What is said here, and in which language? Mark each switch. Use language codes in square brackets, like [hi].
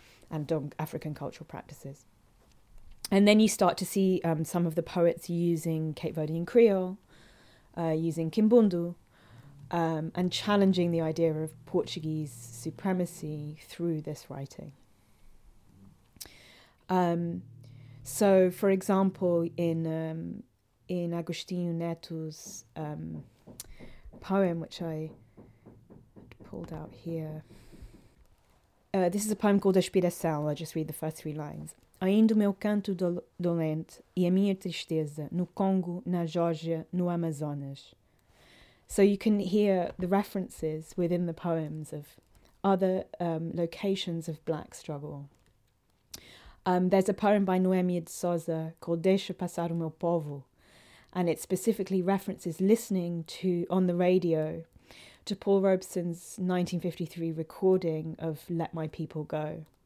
[en] And African cultural practices. And then you start to see some of the poets using Cape Verdean Creole, using Kimbundu, and challenging the idea of Portuguese supremacy through this writing. So, for example, in Agostinho Neto's poem, which I pulled out here, this is a poem called Aspiração. I'll just read the first three lines. [pt] Ainda o meu canto dolente e a minha tristeza no Congo, na Geórgia, no Amazonas. [en] So you can hear the references within the poems of other locations of black struggle. There's a poem by Noemi de Sousa called Deixa Passar o Meu Povo, and it specifically references listening to on the radio to Paul Robeson's 1953 recording of Let My People Go.